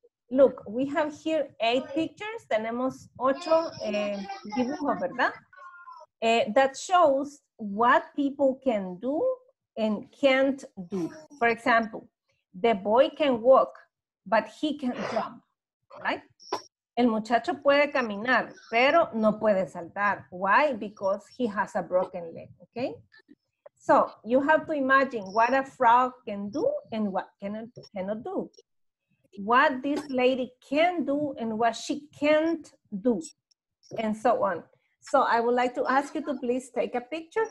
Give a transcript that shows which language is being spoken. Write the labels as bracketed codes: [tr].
[en] Look, we have here 8 pictures. [es] Tenemos 8 dibujos, ¿verdad? [en] That shows what people can do and can't do. For example, the boy can walk, but he can't jump, right? [es] El muchacho puede caminar, pero no puede saltar. [en] Why? Because he has a broken leg, okay? So, you have to imagine what a frog can do and what cannot do. What this lady can do and what she can't do, and so on. So, I would like to ask you to please take a picture.